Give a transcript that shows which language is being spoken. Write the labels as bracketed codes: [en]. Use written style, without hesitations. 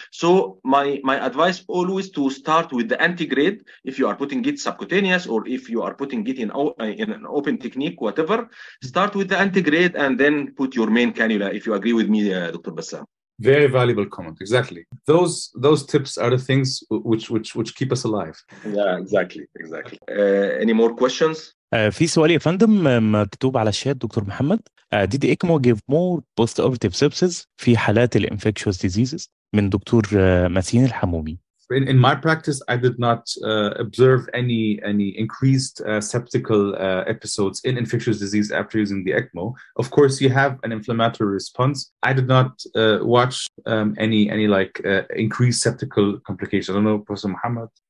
[en] So my advice always to start with the anti-grade if you are putting it subcutaneous, or if you are putting it in an open technique, whatever. Start with the anti-grade and then put your main cannula, if you agree with me, Dr. Bassam. Very valuable comment. Exactly. Those tips are the things which keep us alive. Yeah, exactly. Any more questions? [ar] في سؤال يا فندم مكتوب على الشات دكتور محمد. [en] Did ECMO give more post-operative sepsis [ar] في حالات ال [en] infectious diseases من doctor ماسين الحمومي. In my practice, I did not observe any increased septical episodes in infectious disease after using the ECMO. Of course, you have an inflammatory response. I did not watch any increased septical complications. I don't know, Professor Mohamed.